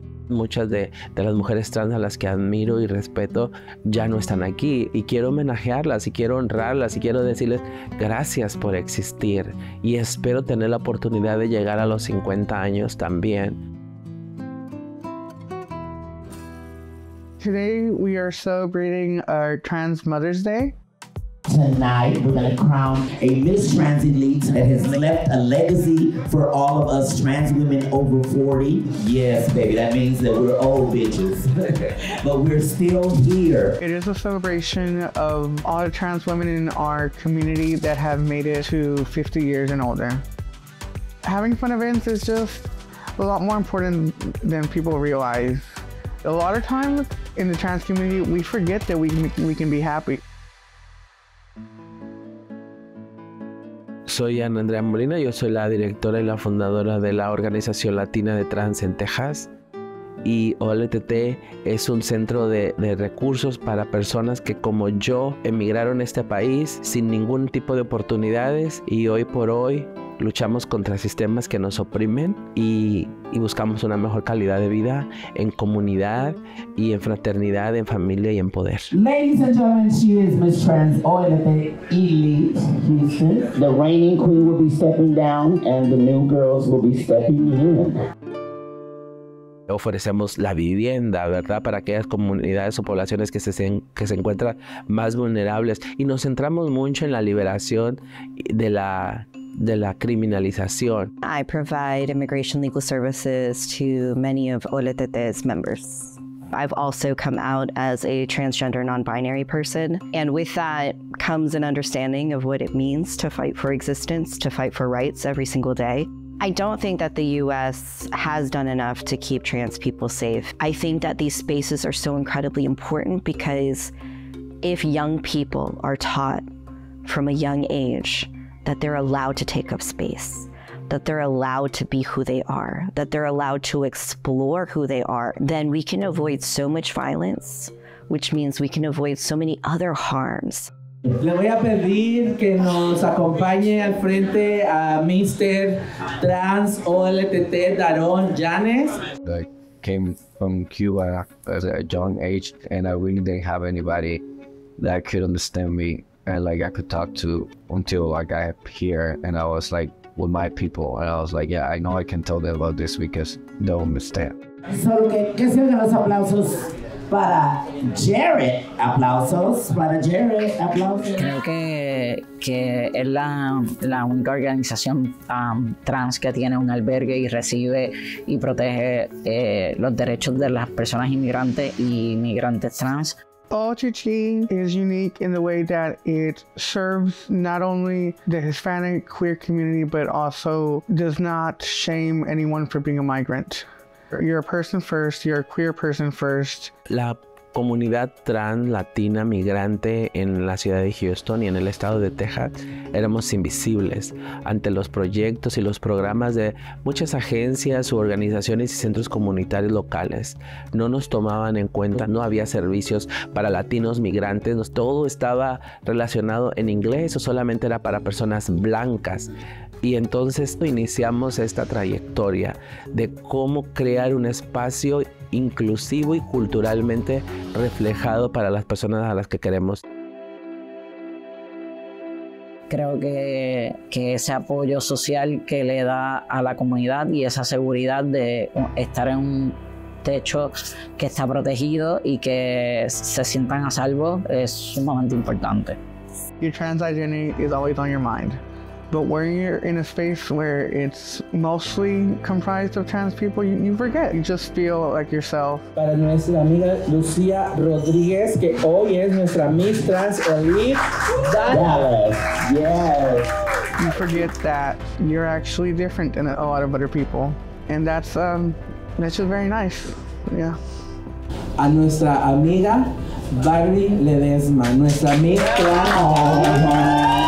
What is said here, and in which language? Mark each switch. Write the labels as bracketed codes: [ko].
[es] Muchas de las mujeres trans a las que admiro y respeto ya no están aquí, y quiero homenajearlas y quiero honrarlas y quiero decirles gracias por existir, y espero tener la oportunidad de llegar a los 50 años también. [en] Today we are celebrating our Trans Mother's Day. Tonight we're going to crown a Miss Trans Elite that has left a legacy for all of us trans women over 40. Yes, baby, that means that we're old bitches, but we're still here. It is a celebration of all the trans women in our community that have made it to 50 years and older. Having fun events is just a lot more important than people realize. A lot of times in the trans community, we forget that we can be happy. [es] Soy Ana Andrea Molina, yo soy la directora y la fundadora de la Organización Latina de Trans en Texas. Y OLTT es un centro de recursos para personas que, como yo, emigraron a este país sin ningún tipo de oportunidades. Y hoy por hoy luchamos contra sistemas que nos oprimen y buscamos una mejor calidad de vida en comunidad y en fraternidad, en familia y en poder. [en] Ladies and gentlemen, she is Miss Trans OLTT Elite Houston. The reigning queen will be stepping down and the new girls will be stepping in. [es] Ofrecemos la vivienda, ¿verdad?, para aquellas comunidades o poblaciones que se encuentran más vulnerables. Y nos centramos mucho en la liberación de la criminalización. [en] I provide immigration legal services to many of OLTT's members. I've also come out as a transgender non-binary person. And with that comes an understanding of what it means to fight for existence, to fight for rights every single day. I don't think that the U.S. has done enough to keep trans people safe. I think that these spaces are so incredibly important because if young people are taught from a young age that they're allowed to take up space, that they're allowed to be who they are, that they're allowed to explore who they are, then we can avoid so much violence, which means we can avoid so many other harms. [es] Le voy a pedir que nos acompañe al frente a Mr. Trans OLTT Daron Janes. [en] I came from Cuba at a young age, and I really didn't have anybody that could understand me and like I could talk to until I got here, and I was like with my people, and I was like, yeah, I know I can tell them about this because they'll understand. [es] Solo que se oigan los aplausos. Para Jared, aplausos. Creo que es la única organización trans que tiene un albergue y recibe y protege los derechos de las personas inmigrantes y migrantes trans. [en] OLTT is unique in the way that it serves not only the Hispanic queer community, but also does not shame anyone for being a migrant. You're a person first, you're a queer person first. [es] La comunidad trans latina migrante en la ciudad de Houston y en el estado de Texas éramos invisibles ante los proyectos y los programas de muchas agencias u organizaciones y centros comunitarios locales. No nos tomaban en cuenta, no había servicios para latinos migrantes, todo estaba relacionado en inglés o solamente era para personas blancas. Y entonces iniciamos esta trayectoria de cómo crear un espacio inclusivo y culturalmente reflejado para las personas a las que queremos. Creo que ese apoyo social que le da a la comunidad y esa seguridad de estar en un techo que está protegido y que se sientan a salvo es sumamente importante. [en] Your trans identity is always on your mind. But when you're in a space where it's mostly comprised of trans people, you forget. You just feel like yourself. [es] Para nuestra amiga Lucía Rodríguez, que hoy es nuestra Miss Trans Elite Dallas. [en] Yes. You forget that you're actually different than a lot of other people. And that's just very nice. Yeah. [es] A nuestra amiga Barbie Ledesma, nuestra Miss Trans.